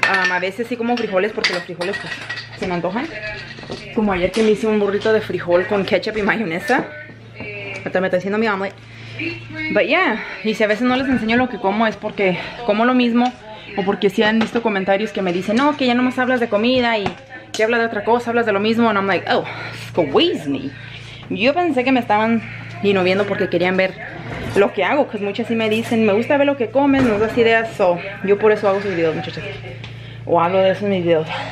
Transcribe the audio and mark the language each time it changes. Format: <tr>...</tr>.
<es>A veces sí como frijoles, porque los frijoles pues, se me antojan. Como ayer que me hice un burrito de frijol con ketchup y mayonesa. Hasta me está diciendo mi mamá.</es> <en>But yeah,</en> <es>y si a veces no les enseño lo que como es porque como lo mismo o porque si han visto comentarios que me dicen, no, que ya no más hablas de comida y que hablas de otra cosa, hablas de lo mismo.</es> <en>And I'm like, oh, squeeze me.</en> <es>Yo pensé que me estaban inhibiendo porque querían ver lo que hago, pues muchas sí me dicen, me gusta ver lo que comes, nos das ideas. So, yo por eso hago sus videos, muchachos, o hablo de esos mis videos.</es>